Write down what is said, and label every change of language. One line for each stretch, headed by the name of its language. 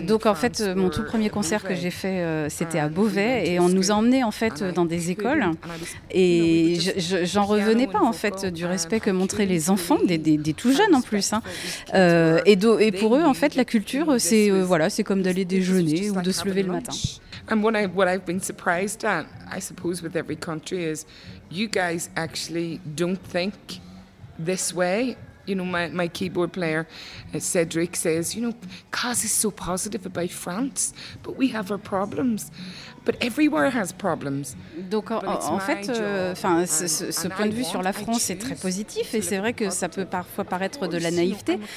French: Donc en fait, mon tout premier concert que j'ai fait, c'était à Beauvais, et on nous a emmenés en fait dans des écoles, et j'en revenais pas en fait du respect que montraient les enfants, des tout jeunes en plus. Hein. Et pour eux, en fait, la culture, c'est c'est comme d'aller déjeuner ou de se lever le matin.
English: And what I've been surprised at, I suppose, with every country is, you guys actually don't think this way. You know, my keyboard player, Cedric, says, you know, Kaz is so positive about France, but we have our problems. But everywhere has problems.
French: Donc, en fait, ce point de vue sur la France est très positif, et c'est vrai que ça peut parfois paraître de la naïveté.